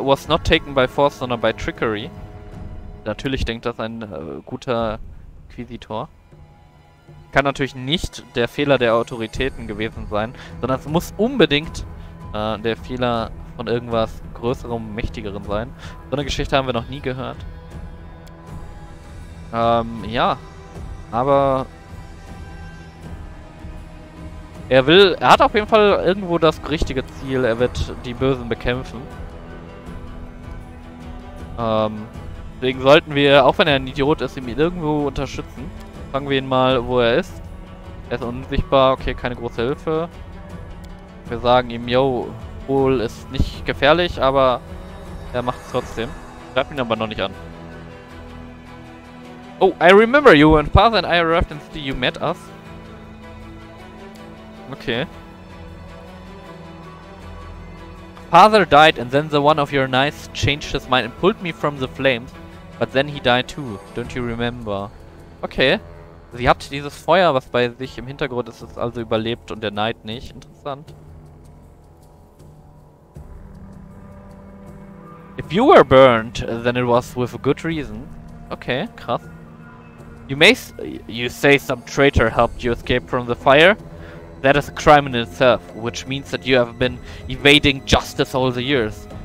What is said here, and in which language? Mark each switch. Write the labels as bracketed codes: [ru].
[en] Was not taken by force, [de] sondern [en] by trickery. [de] Natürlich denkt das ein guter Inquisitor. Kann natürlich nicht der Fehler der Autoritäten gewesen sein, sondern es muss unbedingt der Fehler von irgendwas Größerem, Mächtigeren sein. So eine Geschichte haben wir noch nie gehört. Ja. Aber er will, er hat auf jeden Fall irgendwo das richtige Ziel. Er wird die Bösen bekämpfen. Deswegen sollten wir, auch wenn er ein Idiot ist, ihn irgendwo unterstützen. Fangen wir ihn mal, wo er ist. Er ist unsichtbar, okay, keine große Hilfe. Wir sagen ihm, yo, Kohl ist nicht gefährlich, aber er macht es trotzdem. Greift ihn aber noch nicht an. [en] Oh, I remember you when Father and I arrived in the city, you met us. Okay. Father died and then the one of your knights changed his mind and pulled me from the flames. But then he died too. Don't you remember? Okay. [de] Sie hat dieses Feuer, was bei sich im Hintergrund ist, ist also überlebt und der Knight nicht. Interessant. [en] If you were burned, then it was with a good reason. Okay, [de] krass. [en] You say some traitor helped you escape from the fire? That is a crime in itself, which means that you have been evading justice all the years.